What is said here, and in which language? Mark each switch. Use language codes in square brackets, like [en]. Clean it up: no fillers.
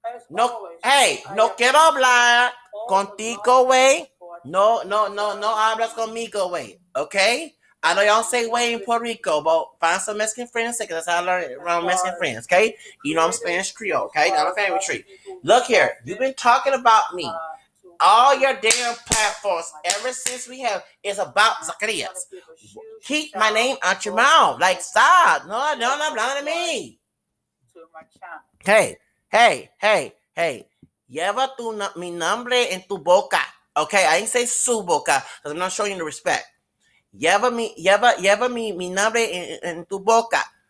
[es] No, hey, no quiero hablar contigo, güey. No, no, no, no hablas conmigo, güey. [en] Okay? I know y'all say way in Puerto Rico, but find some Mexican friends, because that's how I learned it around Mexican friends, okay? You know I'm Spanish Creole, okay? Got a family tree. Look here, you've been talking about me. All your damn platforms, ever since we have, is about Zacarias. Keep my name out your mouth. Like, stop. No, no, no, not to me. Hey, hey, hey, hey. [es] Lleva tu mi nombre en tu boca, okay? [en] I didn't say su boca, because I'm not showing you the respect. [es] Lleva mi nombre en tu boca.